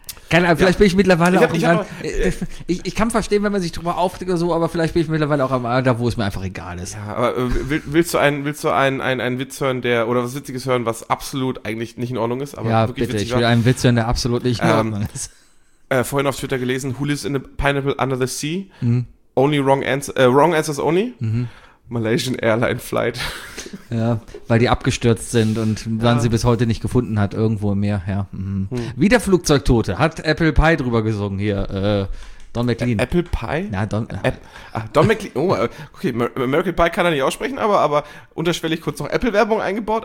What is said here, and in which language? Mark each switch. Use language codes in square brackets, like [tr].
[de] Keine Ahnung, vielleicht bin ich mittlerweile ich kann verstehen, wenn man sich drüber aufregt oder so, aber vielleicht bin ich mittlerweile auch am Alter, wo es mir einfach egal ist. Ja, aber willst du einen Witz hören, der, oder was Witziges hören, was absolut eigentlich nicht in Ordnung ist, aber ja, wirklich bitte, witzig. Ich will einen Witz hören, der absolut nicht in Ordnung ist. Vorhin auf Twitter gelesen, [en] who lives in a pineapple under the sea? [de] Mhm. [en] Only wrong answers only? Mhm. Malaysian Airline Flight. [de] Ja, weil die abgestürzt sind und man sie bis heute nicht gefunden hat, irgendwo im Meer. Ja. Mhm. Hm. Wie der Flugzeugtote. Hat Apple Pie drüber gesungen hier. Don McLean. Apple Pie? Ja, Don McLean. Oh, okay. American Pie kann er nicht aussprechen, aber unterschwellig kurz noch Apple-Werbung eingebaut.